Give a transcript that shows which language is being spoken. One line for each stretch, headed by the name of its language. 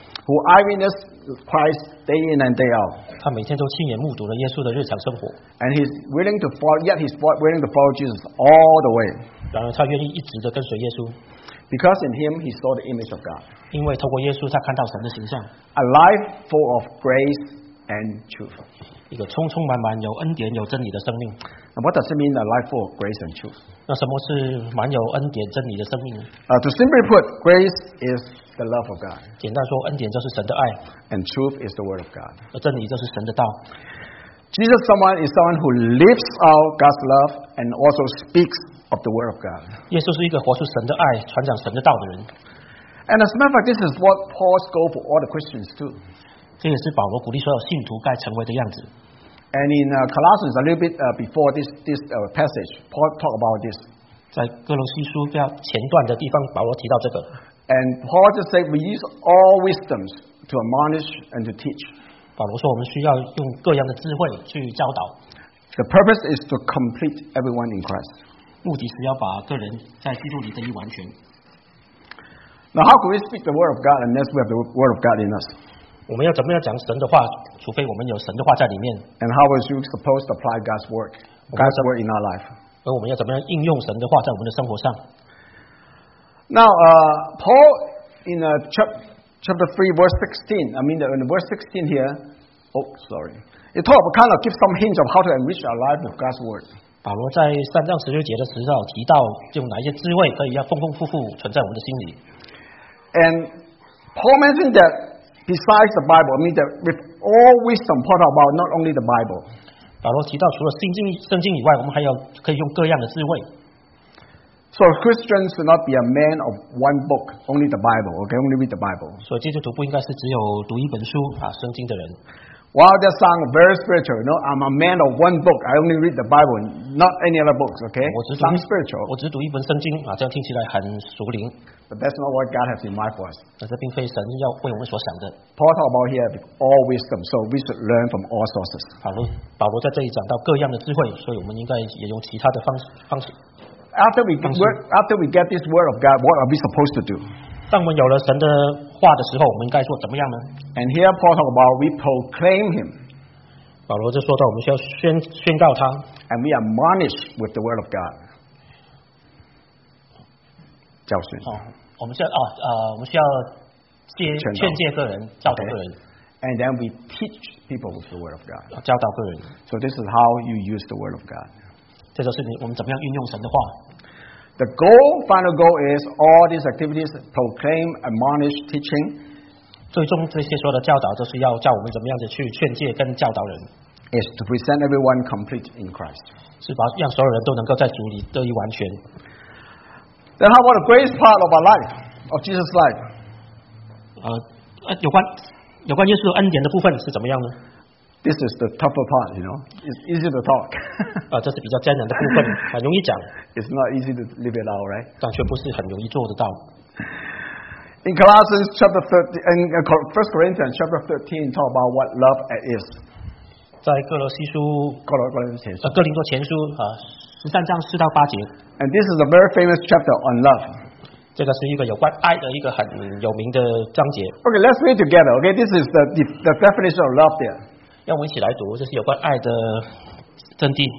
English: Who eyewitnessed Christ day in and day out.
Chinese: 他每天都亲眼目睹了耶稣的日常生活。
English: And he's willing to follow, yet he's willing to follow Jesus all the way.
Chinese: 然而他愿意一直的跟随耶稣。
English: Because in him he saw the image of God.
Chinese: 因为透过耶稣他看到神的形象。
English: A life full of grace and truth.
Chinese: 一个充充满满有恩典有真理的生命。
English: Now, what does it mean a life full of grace and truth?
Chinese: 那什么是满有恩典真理的生命呢？
English: To simply put, grace is the love of God.
Chinese: 简单说，恩典就是神的爱。
English: And truth is the word of God.
Chinese: 而真理就是神的道。
English: Jesus someone is someone who lives out God's love and also speaks of the word of God.
Chinese: 耶稣是一个活出神的爱、传讲神的道的人。
English: And as a matter of fact, this is what Paul's goal for all the Christians too.
Chinese: 这也是保罗鼓励所有信徒该成为的样子。
English: And in Colossians, a little bit before this passage, Paul talked about this.
Chinese: 在哥罗西书比较前段的地方，保罗提到这个。
English: And Paul just said, we use all wisdoms to admonish and to teach.
Chinese: 保罗说，我们需要用各样的智慧去教导。
English: The purpose is to complete everyone in Christ.
Chinese: 目的是要把个人在基督里得以完全。
English: Now, how can we speak the word of God unless we have the word of God in us?
Chinese: 我们要怎么样讲神的话，除非我们有神的话在里面。
English: And how are you supposed to apply God's word? God's word in our life.
Chinese: 而我们要怎么样应用神的话在我们的生活上？
English: Now, Paul in chapter 3 verse 16. I mean, in verse 16 here. Oh, sorry. It talks about kind of give some hints of how to enrich our life with God's word.
Chinese: 保罗在三章十六节的时候提到，用哪些智慧可以要丰丰富富存在我们的心里。
English: And Paul mentioned that besides the Bible, I mean that with all wisdom, Paul talked about not only the Bible.
Chinese: 保罗提到除了圣经以外，我们还有可以用各样的智慧。
English: So Christians should not be a man of one book, only the Bible. Okay, only read the Bible.
Chinese: 所以基督徒不应该是只有读一本书啊，圣经的人。
English: Wow, that sounds very spiritual. No, I'm a man of one book. I only read the Bible, not any other books. Okay, sounds spiritual.
Chinese: 我只读一本圣经啊，这样听起来很属灵。
English: But that's not what God has in mind for us.
Chinese: 但这并非神要为我们所想的。
English: Paul talks about here all wisdom, so we should learn from all sources.
Chinese: 保罗在这里讲到各样的智慧，所以我们应该也用其他的方式。
English: After we get this word of God, what are we supposed to do?
Chinese: 当我们有了神的话的时候，我们应该做怎么样呢？
English: And here Paul talks about we proclaim him.
Chinese: 保罗就说到我们需要宣告他。
English: And we admonish with the word of God.
Chinese: 教训。哦，我们需要劝诫个人，教导个人。
English: Okay. And then we teach people with the word of God.
Chinese: 教导个人。
English: So this is how you use the word of God.
Chinese: 这就是我们怎么样运用神的话。
English: The goal, final goal is all these activities, proclaim, admonish, teaching.
Chinese: 最终这些所有的教导就是要教我们怎么样子去劝诫跟教导人。
English: Is to present everyone complete in Christ.
Chinese: 是把让所有人都能够在主里得以完全。
English: Then how about the grace part of our life, of Jesus' life?
Chinese: 有关耶稣恩典的部分是怎么样呢？
English: This is the tougher part, you know. It's easy to talk.
Chinese: 这是比较艰难的部分，很容易讲。
English: It's not easy to live it out, right?
Chinese: 但却不是很容易做得到。
English: In Colossians chapter 13, in First Corinthians chapter 13, talk about what love is.
Chinese: 在哥罗西书，哥林多前书十三章四到八节。
English: And this is a very famous chapter on love.
Chinese: 这个是一个有关爱的一个很有名的章节。
English: Okay, let's read together. Okay, this is the definition of love there.
Chinese: 让我们一起来读，这是有关爱的真谛。